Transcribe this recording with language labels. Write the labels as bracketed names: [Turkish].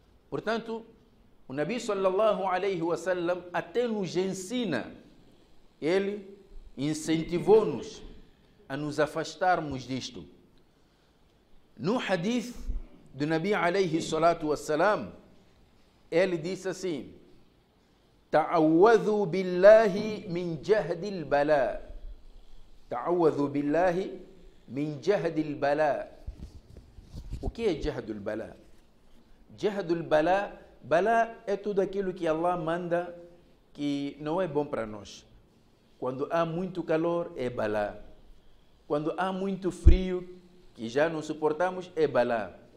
[Portuguese] Portanto, o Nabi sallallahu alaihi wasallam até nos ensina, ele incentivou-nos a nos afastarmos disto. No hadith do Nabi alaihi salatu wasallam, ele disse assim: [Arabic] تعوذوا بالله من جهد البلاء. تعوذوا بالله من جهد البلاء. [Portuguese] O que é [Arabic] جهد البلاء? [Portuguese] جهد البلاء, بلاء é tudo aquilo que Allah manda que não é bom para nós. Quando há muito calor, é balá. Quando há muito frio, que já não suportamos, é balá.